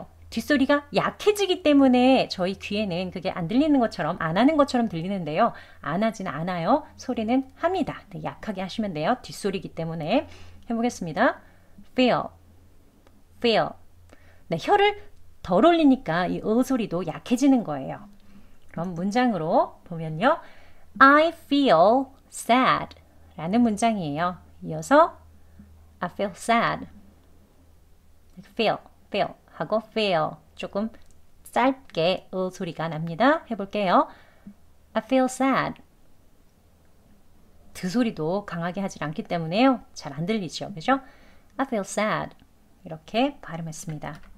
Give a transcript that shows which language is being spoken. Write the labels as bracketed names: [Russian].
[Korean] 뒷소리가 약해지기 때문에 저희 귀에는 그게 안 들리는 것처럼, 안 하는 것처럼 들리는데요. 안 하진 않아요. 소리는 합니다. 근데 약하게 하시면 돼요. 뒷소리이기 때문에. 해보겠습니다. feel. 네, 혀를 덜 올리니까 이 소리도 약해지는 거예요. 그럼 문장으로 보면요. [English] I feel sad [Korean] 라는 문장이에요. 이어서 [English] I feel sad. [Korean] feel 하고 feel 조금 짧게 소리가 납니다. 해볼게요. [English] I feel sad. [Korean] 그 소리도 강하게 하지 않기 때문에요. 잘안 들리죠. 그죠? [English] I feel sad. [Korean] 이렇게 발음했습니다.